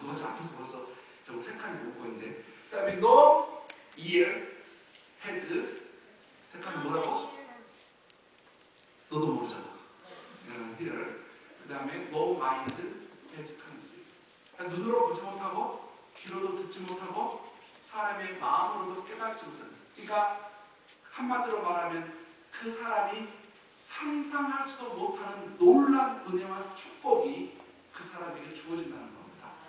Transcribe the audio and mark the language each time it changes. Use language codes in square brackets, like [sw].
[ko] 누가 저 앞에서 벌써 저 택한이 웃고 있는데 그 다음에 [en] No ear has [ko] 택한이 뭐라고? 너도 모르잖아. [en] Hear. [ko] 그 다음에 [en] No mind has conceived. [ko] 눈으로 보지 못하고 귀로도 듣지 못하고 사람의 마음으로도 깨닫지 못하는 그러니까 한마디로 말하면 그 사람이 상상할 수도 못하는 놀란 은혜와 축복이 그 사람에게 주어진다는 겁니다.